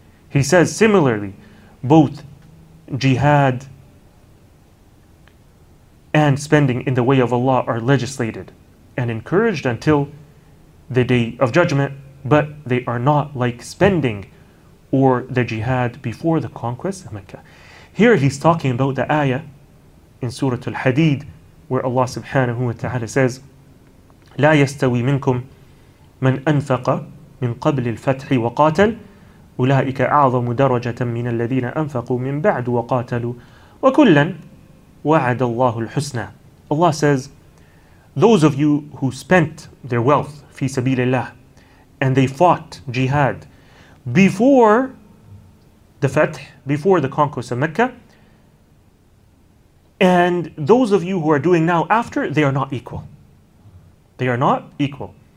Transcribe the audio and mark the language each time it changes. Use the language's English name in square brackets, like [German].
[English] He says similarly, both jihad and spending in the way of Allah are legislated and encouraged until the day of judgment, but they are not like spending or the jihad before the conquest of Mecca. Here he's talking about the ayah in Surah Al-Hadid where Allah subhanahu wa ta'ala says, [Arabic] لا يستوي منكم من أنفق من قبل الفتح وقاتل أولئك أعظم درجة من الذين أنفقوا من بعد وقاتلوا وكلا وعد الله الحسنى. [English] Allah says, those of you who spent their wealth [Arabic] في سبيل الله [English] and they fought jihad before the Fath, before the conquest of Mecca, and those of you who are doing now after, they are not equal. They are not equal.